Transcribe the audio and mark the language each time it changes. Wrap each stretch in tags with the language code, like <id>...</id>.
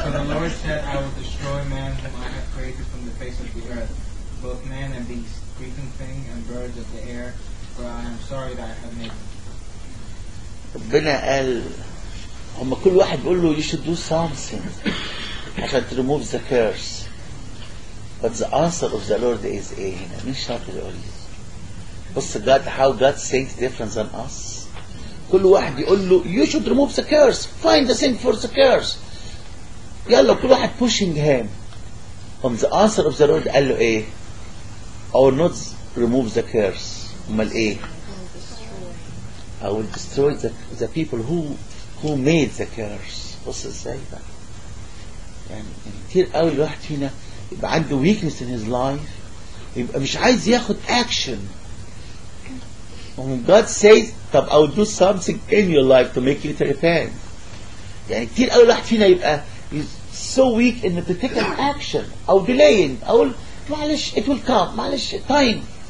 <en>So the Lord said, I will destroy man whom I have created from the face of the earth, both man and beast, creeping thing and birds of the air, for I am sorry that I have made him.</en> <ar>ربنا قال هما كل واحد بيقول له</ar> <en>you should do something</en> <ar>عشان</ar> <en>تريموف the curse. But the answer of the Lord is</en> <ar>ايه هنا؟ مين شاطر يقول لي؟ بص</ar> <en>God how God thinks different than us.</en> <ar>كل واحد يقول له</ar> <en>you should remove the curse, find the thing for the curse.</en> <ar>يلا كل واحد</ar> <en>pushing him. From the answer of the Lord</en> <ar>قال له ايه؟</ar> <en>I will not remove the curse.</en> <ar>أمال ايه؟</ar> <en>I will destroy the people who made the curse.</en> <ar>بص ازاي بقى؟ يعني كتير قوي الواحد فينا يبقى عنده</ar> <en>weakness in his life</en> <ar>يبقى مش عايز ياخد action.</ar> <en>When God says طب I will do something in your life to make you to repent.</en> <ar>يعني كتير قوي الواحد فينا يبقى</ar> <en>is so weak in to take an action</en> <ar>أو delaying أو معلش</ar> <en>it will come</en> <ar>معلش time.</ar>